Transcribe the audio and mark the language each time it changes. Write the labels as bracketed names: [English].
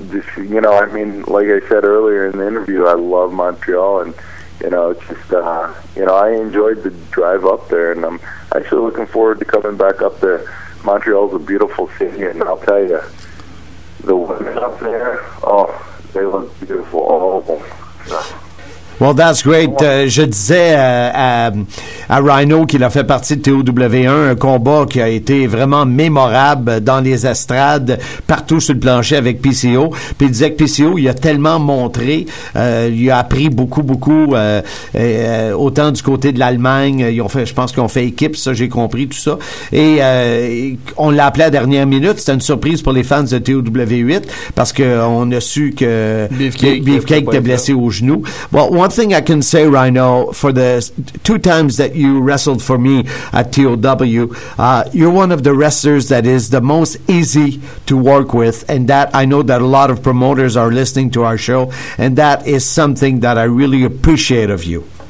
[English] Just, you know, I mean, like I said earlier in the interview, I love Montreal, and, you know, it's just, you know, I enjoyed the drive up there, and I'm actually looking forward to coming back up there. Montreal's a beautiful city, and I'll tell you, the women up there, oh, they look beautiful, all of them. Well, that's great. [French] Je disais à Rhino, qu'il a fait partie de TOW1, un combat qui a été vraiment mémorable dans les estrades, partout sur le plancher avec PCO. Puis il disait que PCO, il a tellement montré, il a appris beaucoup, autant du côté de l'Allemagne. Ils ont fait, je pense qu'ils ont fait équipe, ça, j'ai compris tout ça. Et on l'a appelé à dernière minute. C'était une surprise pour les fans de TOW8, parce qu'on a su que Beefcake était blessé au genou. [English] Bon, one thing I can say, Rhino, for the two times that you wrestled for me at TOW, you're one of the wrestlers that is the most easy to work with, and that I know that a lot of promoters are listening to our show, and that is something that I really appreciate of you.